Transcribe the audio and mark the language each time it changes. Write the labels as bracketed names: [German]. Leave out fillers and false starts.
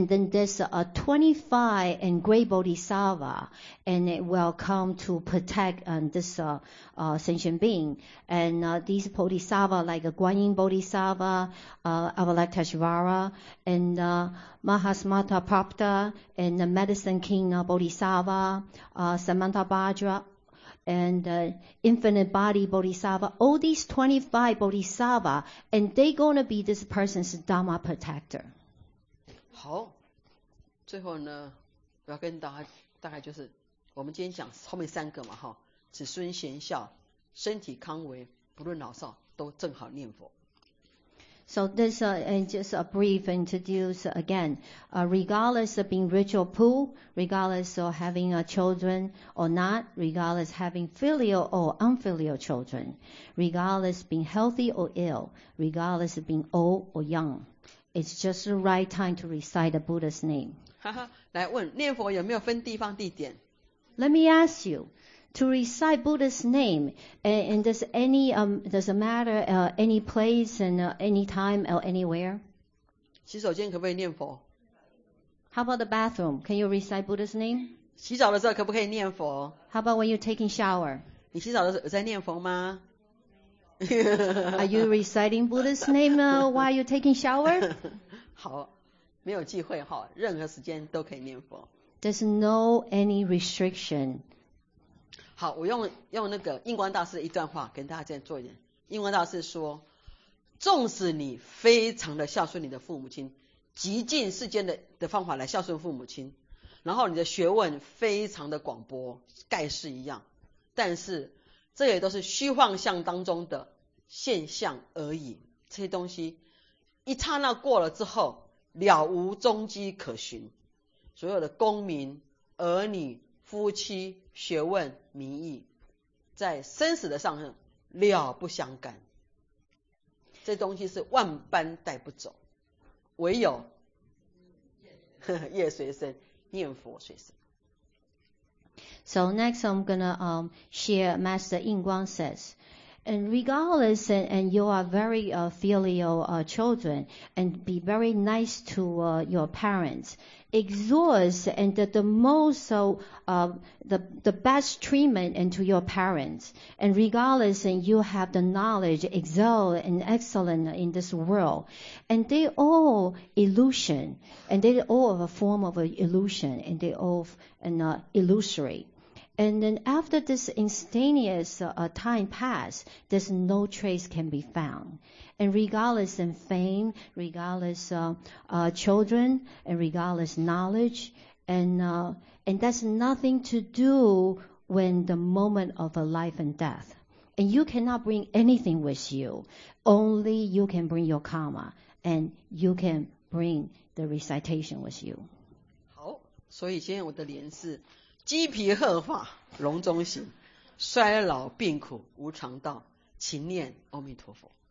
[English] there's a 25 and great bodhisattva, and it will come to protect this sentient being, and these bodhisattva like a Guanyin bodhisattva, Avalokiteshvara, and Mahasamudrapada, and the medicine king bodhisattva, Samantabhadra, and the infinite body bodhisattva, all these 25 bodhisattva, and they're going to be this person's Dharma protector. [Chinese] 好，最后呢，我要跟大家大概就是，我们今天讲后面三个嘛，哈，子孙贤孝，身体康维，不论老少都正好念佛。 [English] So this is just a brief introduce again. Regardless of being rich or poor, regardless of having children or not, regardless of having filial or unfilial children, regardless of being healthy or ill, regardless of being old or young, it's just the right time to recite the Buddha's name. [Chinese] 来问，念佛有没有分地方地点？ [English] Let me ask you. To recite Buddha's name, and does any, does it matter, any place and, any time or anywhere? [Chinese] 洗手间可不可以念佛? [English] How about the bathroom? Can you recite Buddha's name? [Chinese] 洗澡的时候可不可以念佛? [English] How about when you're taking shower? [Chinese] 你洗澡的时候有在念佛吗? [English] Are you reciting Buddha's name, while you're taking shower? [Chinese] 好,没有忌讳哦,任何时间都可以念佛。 [English] There's no any restriction. [Chinese] 好，我用那个印光大师一段话跟大家做一点。印光大师说，纵使你非常的孝顺你的父母亲，极尽世间的方法来孝顺父母亲，然后你的学问非常的广博，盖世一样，但是这也都是虚幻相当中的现象而已。这些东西一刹那过了之后，了无踪迹可寻。所有的功名、儿女、夫妻、学问、名义，在生死的上面了不相干，这东西是万般带不走，唯有业随身，念佛随身。 [English] So next I'm gonna share Master Yin Guang says, and regardless and you are very filial children and be very nice to your parents. Exhaust and the most the best treatment into your parents, and regardless and you have the knowledge excel and excellent in this world, and they all illusion, and they all a form of an illusion, and they all an illusory, and then after this instantaneous time pass, there's no trace can be found. And regardless in fame, regardless children, and regardless knowledge, and that's nothing to do when the moment of a life and death. And you cannot bring anything with you. Only you can bring your karma, and you can bring the recitation with you. [Chinese] 好，所以今天我的莲是鸡皮鹤发笼中醒，衰老病苦无常道，勤念阿弥陀佛。